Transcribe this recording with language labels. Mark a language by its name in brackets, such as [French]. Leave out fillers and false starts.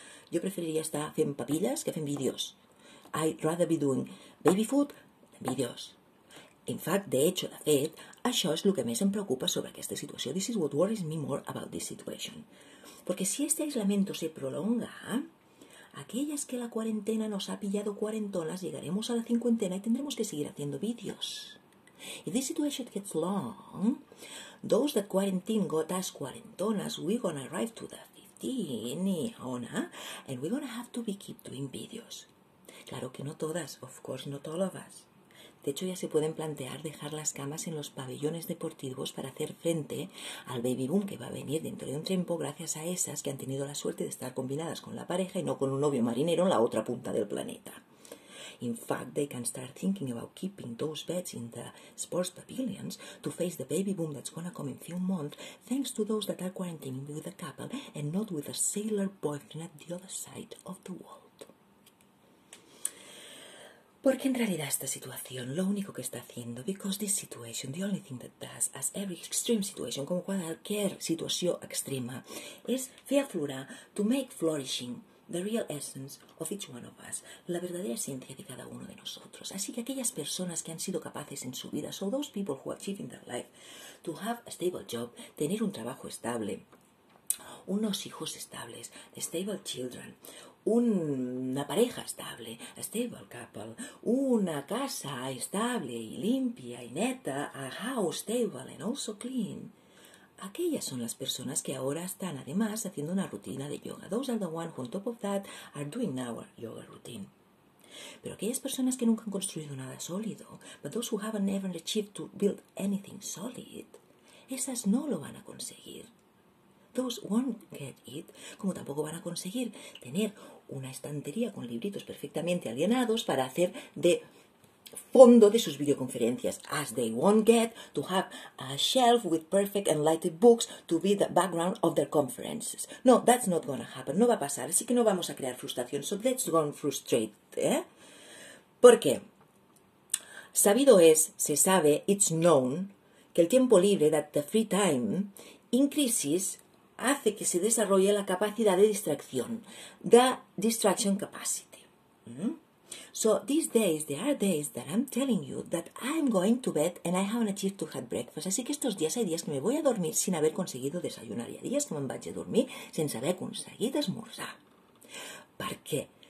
[Spanish] Yo preferiría estar haciendo papillas que hacer vídeos. [English] I'd rather be doing baby food than videos. In fact, [Spanish] de hecho, [Catalan] de fet, això és el que més em preocupa sobre aquesta situació. [English] This is what worries me more about this situation. [Catalan] Perquè [Spanish] si este aislamiento se prolonga, [Catalan] aquelles [Spanish] que la cuarentena nos ha pillado cuarentonas, llegaremos a la cincuentena y tendremos que seguir haciendo vídeos. [English] If this situation gets long, those that quarantine got us cuarentonas, we're gonna arrive to the 15, and we're gonna have to be keep doing videos. [Spanish] Claro que no todas, [English] of course not all of us. [Spanish] De hecho, ya se pueden plantear dejar las camas en los pabellones deportivos para hacer frente al baby boom que va a venir dentro de un tiempo gracias a esas que han tenido la suerte de estar combinadas con la pareja y no con un novio marinero en la otra punta del planeta. [English] In fact, they can start thinking about keeping those beds in the sports pavilions to face the baby boom that's gonna come in few months thanks to those that are quarantining with a couple and not with a sailor boyfriend at the other side of the world. [Spanish] Porque en realidad esta situación, lo único que está haciendo, [English] because this situation, the only thing that does, as every extreme situation, [Spanish] como cualquier situación extrema, [Catalan] es fer aflorar, [English] to make flourishing, the real essence of each one of us, [Spanish] la verdadera esencia de cada uno de nosotros. Así que aquellas personas que han sido capaces en su vida, [English] so those people who achieve in their life, to have a stable job, [Spanish] tener un trabajo estable, unos hijos estables, [English] stable children, [Spanish] una pareja estable, [English] a stable couple, [Spanish] una casa estable y limpia y neta, [English] a house stable and also clean. [Spanish] Aquellas son las personas que ahora están además haciendo una rutina de yoga. [English] Those are the ones who on top of that are doing our yoga routine. [Spanish] Pero aquellas personas que nunca han construido nada sólido, [English] but those who haven't ever achieved to build anything solid, [Spanish] esas no lo van a conseguir. [English] Those won't get it, [Spanish] como tampoco van a conseguir tener una estantería con libritos perfectamente alineados para hacer de fondo de sus videoconferencias, [English] as they won't get to have a shelf with perfect and lighted books to be the background of their conferences. No, that's not gonna happen, [Spanish] no va a pasar, así que no vamos a crear frustración, [English] so let's go frustrate, [Spanish] ¿Por qué? Sabido es, se sabe, [English] it's known, [Spanish] que el tiempo libre, [English] that the free time, increases, [Spanish] hace que se desarrolle la capacidad de distracción, [English] the distraction capacity. So these days, there are days that I'm telling you that I'm going to bed and I haven't achieved to have breakfast. [Spanish] Así que estos días hay días que me voy a dormir sin haber conseguido desayunar y hay días que [Catalan] me vaig a dormir sense haver aconseguit esmorzar. [Spanish] ¿Por qué?